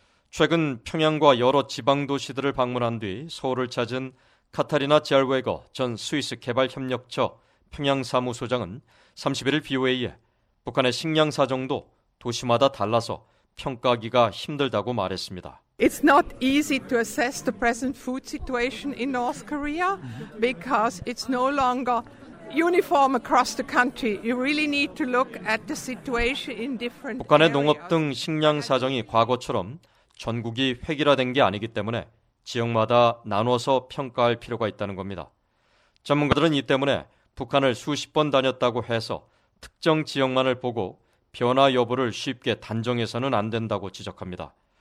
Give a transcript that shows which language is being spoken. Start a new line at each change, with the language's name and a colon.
Korean: 최근 평양과 여러 지방도시들을 방문한 뒤 서울을 찾은 카타리나 젤웨거 전 스위스 개발협력처 평양사무소장은 31일 BOA에 북한의 식량 사정도 도시마다 달라서 평가하기가 힘들다고 말했습니다.
English: It's not easy to assess the present food situation in North Korea because it's no longer uniform across the country. You really need to look at the situation in different
Korean: 북한의 농업 등 식량 사정이 과거처럼 전국이 획일화된 게 아니기 때문에 지역마다 나눠서 평가할 필요가 있다는 겁니다. 전문가들은 이 때문에 북한을 수십 번 다녔다고 해서 특정 지역만을 보고 변화 여부를 쉽게 단정해서는 안 된다고 지적합니다.